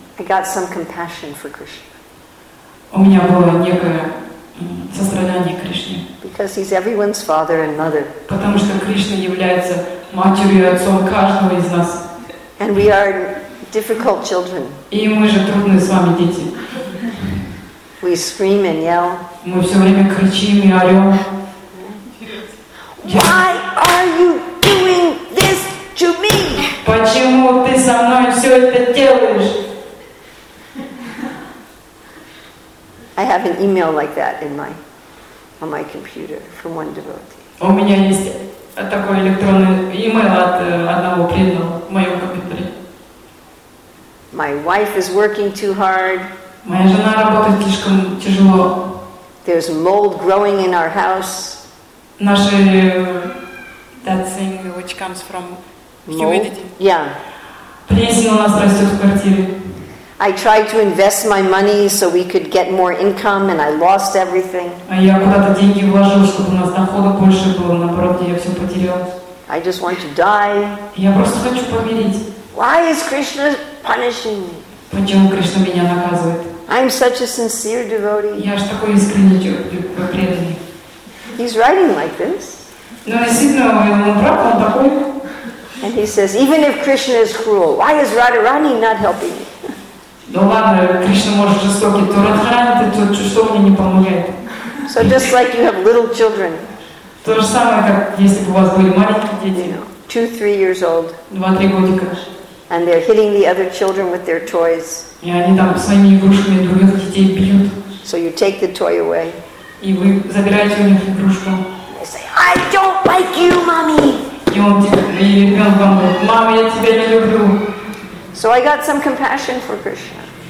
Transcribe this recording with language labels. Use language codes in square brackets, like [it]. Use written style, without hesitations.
[en] I got some compassion for Krishna. [ru] У меня было некое сострадание к Кришне. [en] Because he's everyone's father and mother. [ru] Потому что Кришна является матерью и отцом каждого из нас. [en] And we are difficult children. [ru] И мы же трудные с вами дети. [en] We scream and yell. [ru] Мы все время кричим и орем. [en] Why are you doing this to me? [ru] Почему ты со мной все это делаешь? [en] I have an email like that on my computer from one devotee. [ru] У меня есть такой электронный email от одного преданного в моем компьютере. [en] My wife is working too hard. [ru] Моя жена работает слишком тяжело. [en] There's mold growing in our house. [ru] Наши [en] that thing which comes from humidity. Yeah. [ru] Плесень у нас растет в квартире. [en] I tried to invest my money so we could get more income and I lost everything. [ru] Я куда-то деньги вложил, чтобы у нас дохода больше было, наоборот, я все потерял. [en] I just want to die. [ru] Я просто хочу помереть. [en] Why is Krishna punishing me? [ru] Почему Кришна меня наказывает? [en] I'm such a sincere devotee. [ru] Я ж такой искренний преданный. [en] He's writing like this. [ru] Ну, действительно, он прав, он такой. [en] And he says, even if Krishna is cruel, why is Radharani not helping me? [ru] Ну ладно, Кришна может жестокий, то Радхарани, то что мне не помогает. [en] So just like you have little children. [ru] То же самое, как если бы у вас были маленькие дети. [en] You know, 2-3 years old. [ru] 2-3 годика. [en] And they're hitting the other children with their toys. [ru] И они там своими игрушками других детей бьют. [en] So you take the toy away. [ru] И вы забираете у них игрушку. [en] They say, I don't like you, mommy. [ru] И он типа, и ребенок вам говорит, мама, я тебя не люблю. [en] So I got some compassion for Krishna.